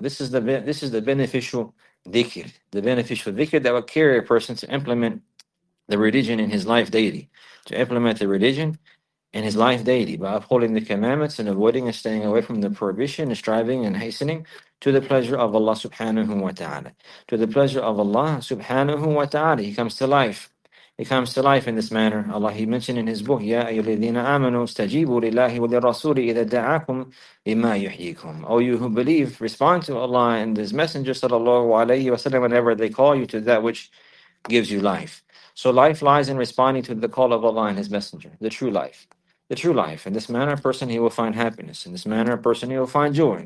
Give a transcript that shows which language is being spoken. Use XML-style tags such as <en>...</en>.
<en>This is the beneficial dhikr, the beneficial dhikr that will carry a person to implement the religion in his life daily, to implement the religion in his life daily by upholding the commandments and avoiding and staying away from the prohibition and striving and hastening to the pleasure of Allah subhanahu wa ta'ala. To the pleasure of Allah subhanahu wa ta'ala, he comes to life. It comes to life in this manner. Allah, He mentioned in His book,</en> <ar>يَا أَيُّ الَّذِينَ آمَنُوا اسْتَجِيبُوا لِلَّهِ وَلِلرَّسُولِ إِذَا دَعَاكُمْ لِمَا يُحْيِيكُمْ.</ar> <en>O you who believe, respond to Allah and His Messenger sallallahu alayhi wa sallam whenever they call you to that which gives you life. So life lies in responding to the call of Allah and His Messenger, the true life. The true life. In this manner, a person, he will find happiness. In this manner, a person, he will find joy.</en>